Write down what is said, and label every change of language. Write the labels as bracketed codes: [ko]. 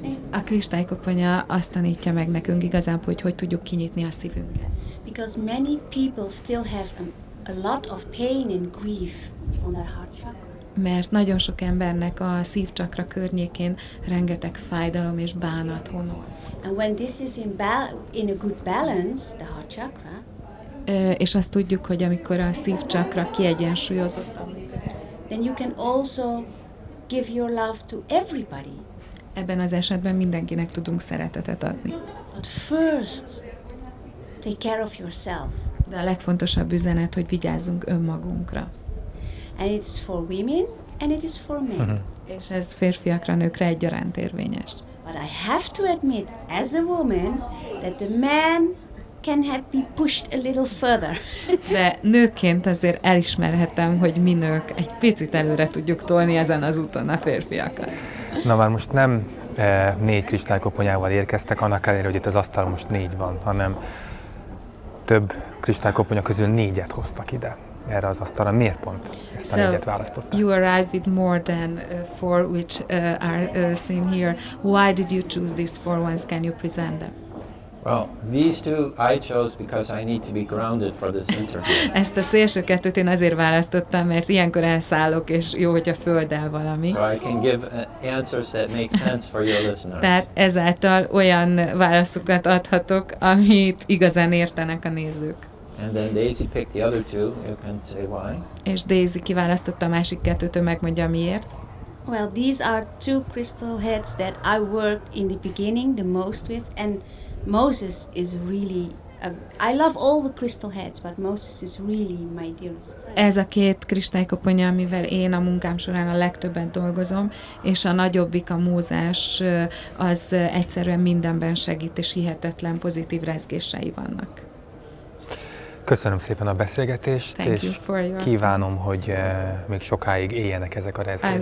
[hu] A kristálykoponya azt tanítja meg nekünk igazából, hogy tudjuk kinyitni a szívünket. [en] Because many people still have a lot of pain and grief on their heart chakra. [hu] Mert nagyon sok embernek a szívcsakra környékén rengeteg fájdalom és bánat honol. [en] And when this is in a good balance, the heart chakra. [hu] És azt tudjuk, hogy amikor a szívcsakra kiegyensúlyozottan [en] then you can also give your love to everybody. [hu] Ebben az esetben mindenkinek tudunk szeretetet adni. [en] But first, take care of yourself. [hu] De a legfontosabb üzenet, hogy vigyázzunk önmagunkra. [en] And it's for women and it is for men. [hu] És ez férfiakra, nőkre egyaránt érvényes. [en] But I have to admit as a woman that the man can have been pushed a little further. [hu] De nőként azért elismerhetem, hogy mi nők egy picit előre tudjuk tolni ezen az úton a férfiakat. Na már most nem négy kristálykoponyával érkeztek, annak ellenére, hogy itt az asztalon most négy van, hanem több kristálykoponya közül négyet hoztak ide, erre az asztalra. Miért pont ezt a négyet választották? [en] You arrived with more than four which are seen here. Why did you choose these four ones? Can you present them? Well, these two I chose because I need to be grounded for this interview. [hu] Ezt a szélső kettőt én azért választottam, mert ilyenkor elszállok, és jó, hogy a földdel valami. [en] So I can give answers that make sense for your listeners. [hu] Tehát ezáltal olyan válaszokat adhatok, amit igazán értenek a nézők. [en] And then Daisy picked the other two. You can say why. [hu] És Daisy kiválasztotta a másik kettőt, ő megmondja miért. [en] Well, these are two crystal heads that I worked in the beginning the most with, and Moses is really I love all the crystal heads, but Moses is really my dearest friend. [hu] Ez a két kristálykoponya, amivel én a munkám során a legtöbben dolgozom, és a nagyobbik, a Mózes, az egyszerűen mindenben segít, és hihetetlen pozitív rezgései vannak. Köszönöm szépen a beszélgetést. [en] Thank [hu] és [en] you [hu] kívánom, hogy még sokáig éljenek ezek a rezgések.